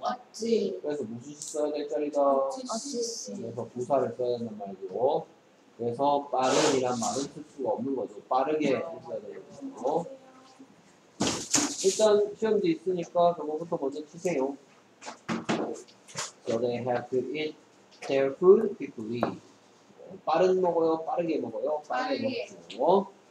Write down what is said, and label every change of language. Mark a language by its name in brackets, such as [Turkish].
[Korean] 어찌. 그래서 무슨 써야 될 자리다. 어찌. 그래서 부사를 써야 된단 말이죠. 그래서 빠른이란 말은 쓸 수가 없는 거죠. 빠르게 써야 되겠죠. 일단 시험도 있으니까 그거부터 먼저 치세요. [English] So they have to eat their food quickly. [Korean] 빠른 먹어요, 빠르게 먹어요, 빠르게 먹죠.